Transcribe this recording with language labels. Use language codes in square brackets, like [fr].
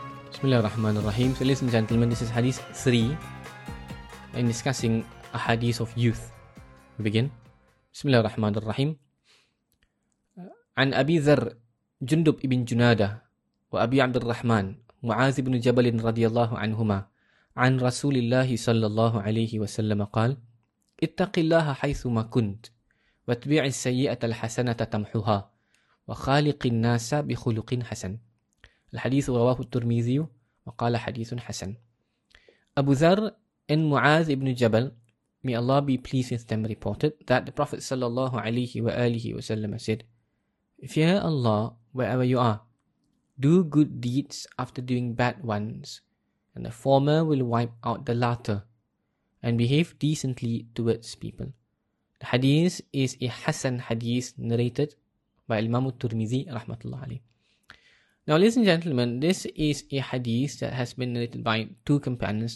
[ar] Bismillahirrahmanirrahim. [en] So ladies and gentlemen, this is Hadith 3 and discussing a hadith of youth. We begin. Bismillahirrahmanirrahim. [ar] عن أبي ذر جندب بن جنادة وأبي عبد الرحمن معاذ بن جبل رضي الله عنهما عن رسول الله صلى الله عليه وسلم قال اتق الله حيثما كنت واتبع السيئة الحسنة تمحها وخالق الناس بخلق حسن الحديث رواه الترمذي وقال حديث حسن [en] أبو ذر and معاذ بن جبل may Allah be pleased with them reported that the Prophet صلى الله عليه وآله وسلم said Fear Allah wherever you are. Do good deeds after doing bad ones, and the former will wipe out the latter, and behave decently towards people. The hadith is a Hasan hadith narrated by Imam al-Tirmidhi rahmatullah alayh. Now ladies and gentlemen, this is a hadith that has been narrated by two companions.